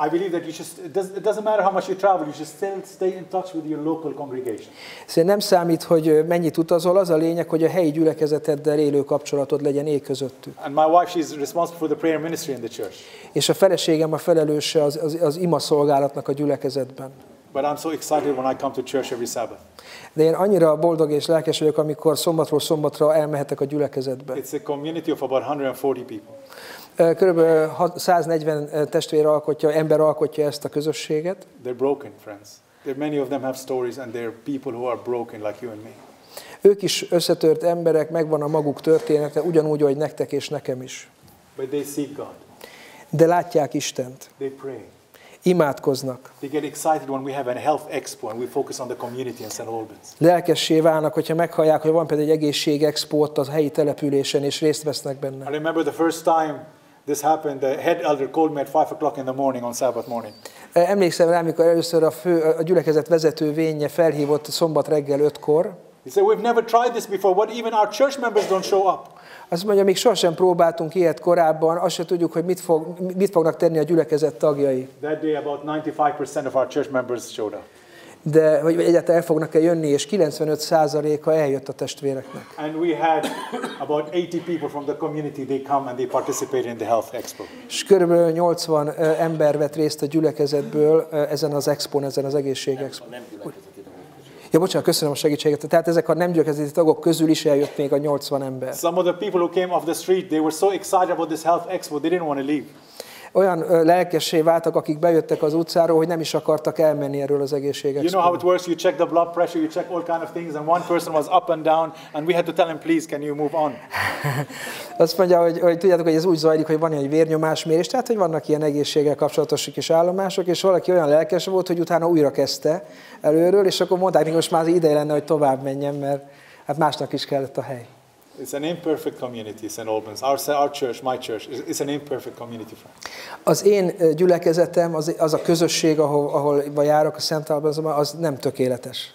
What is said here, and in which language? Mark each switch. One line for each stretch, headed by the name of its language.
English: I believe that you just it doesn't matter how much you travel, you should still stay in touch with your local congregation.
Hungarian: Szóval nem számít, hogy mennyit utazol, az a lényeg, hogy a helyi gyülekezeteddel élő kapcsolatod legyen ég közöttük.
English: And my wife, she's responsible for the prayer ministry in the church.
Hungarian: És a feleségem a felelőse az ima szolgálatnak a gyülekezetben.
English: But I'm so excited when I come to church every Sabbath.
Hungarian: De én annyira boldog és lelkes vagyok, amikor szombatról szombatra elmehetek a gyülekezetbe.
English: It's a community of about 140 people.
Hungarian: Körülbelül 140 testvér alkotja, ember alkotja ezt a közösséget.
English: They're broken, friends. There many of them have stories and they're people who are broken like you and me.
Hungarian: Ők is összetört emberek, megvan a maguk története, ugyanúgy, ahogy nektek és nekem is.
English: But they seek God.
Hungarian: De látják Istent.
English: They pray.
Hungarian: Imádkoznak.
English: They get excited when we have a health expo and we focus on the community in St. Albans.
Hungarian: Lelkessé válnak, hogyha meghallják, hogy van például egy egészség expo a helyi településen és részt vesznek benne.
English: I remember the first time this happened, the head elder called me at 5 o'clock in the morning on Sabbath morning.
Hungarian: Emlékszem rá, amikor először a gyülekezet vezető vénje felhívott szombat reggel 5-kor.
English: He said, we've never tried this before. What, even our church members don't show up?
Hungarian: Azt mondja, még sohasem próbáltunk ilyet korábban, azt se tudjuk, hogy mit fognak tenni a gyülekezet tagjai.
English: That day about 95% of our church members showed up.
Hungarian: De hogy egyáltalán el fognak-e jönni, és 95%-a eljött a testvéreknek.
English: And we had about 80 people from the community, they come and they participate in the health expo.
Hungarian: És körülbelül 80 ember vett részt a gyülekezetből ezen az expon, ezen az egészség expon. Ja, bocsánat, köszönöm a segítséget. Tehát ezek a nem gyülekezeti tagok közül is eljött még a 80 ember.
English: Some of the people who came off the street, they were so excited about this health expo, they didn't want to leave.
Hungarian: Olyan lelkessé váltak, akik bejöttek az utcáról, hogy nem is akartak elmenni erről az egészségekről.
English: You know how it works, you check the blood pressure, you check all kind of things, and one person was up and down, and we had to tell him, please, can you move on?
Hungarian: Azt mondja, hogy tudjátok, hogy ez úgy zajlik, hogy van egy vérnyomásmérés, tehát, hogy vannak ilyen egészséggel kapcsolatos kis állomások, és valaki olyan lelkes volt, hogy utána újra kezdte előről, és akkor mondták, hogy most már az ideje lenne, hogy tovább menjen, mert hát másnak is kellett a hely.
English: It's an imperfect community, St. Albans. Our church, my church, is an imperfect community.
Hungarian: Az én gyülekezetem, az a közösség, ahol járok a St. Albans, az nem tökéletes.